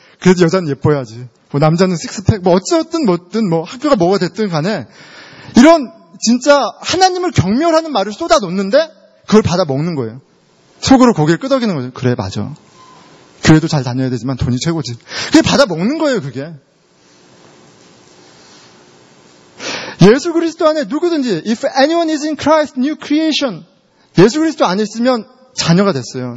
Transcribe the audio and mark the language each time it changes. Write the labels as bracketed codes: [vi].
[ko] 그래도 여자는 예뻐야지. 뭐 남자는 식스팩. 뭐 어쨌든 뭐든 뭐 학교가 뭐가 됐든 간에 이런 진짜 하나님을 경멸하는 말을 쏟아 놓는데 그걸 받아 먹는 거예요. 속으로 고개를 끄덕이는 거죠. 그래 맞아. 교회도 잘 다녀야 되지만 돈이 최고지. 그게 받아 먹는 거예요. 그게. 예수 그리스도 안에 누구든지 [en] If anyone is in Christ, new creation. [ko] 예수 그리스도 안에 있으면 자녀가 됐어요.